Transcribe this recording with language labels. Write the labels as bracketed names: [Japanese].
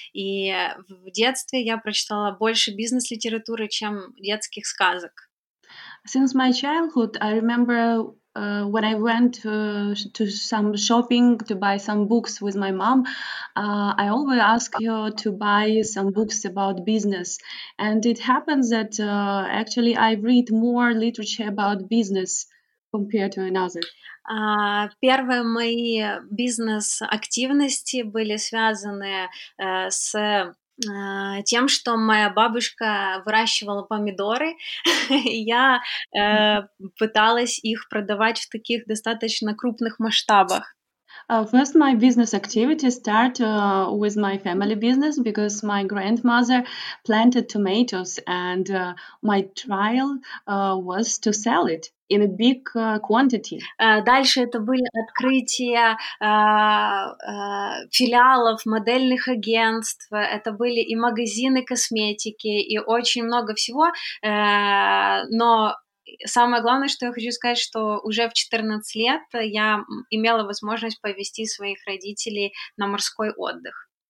[Russian] И в детстве я прочитала больше бизнес-литературы, чем детских сказок. [English] Since my childhood, I remember when I went to some shopping to buy some books with my mom, I always ask her to buy some books about business. And it happens that actually I read more literature about business compared to another. [Russian] Первые мои бизнес-активности были связаны с... тем, что моя бабушка выращивала помидоры, я пыталась их продавать в таких достаточно крупных масштабах. [English] First, my business activity start with my family business because my grandmother planted tomatoes and my trial was to sell it in a big quantity. [Russian] Дальше это были открытия филиалов, модельных агентств, это были и магазины косметики, и очень много всего, но... Самое главное, что я хочу сказать, что уже в 14 лет я имела возможность повезти своих родителей на морской отдых.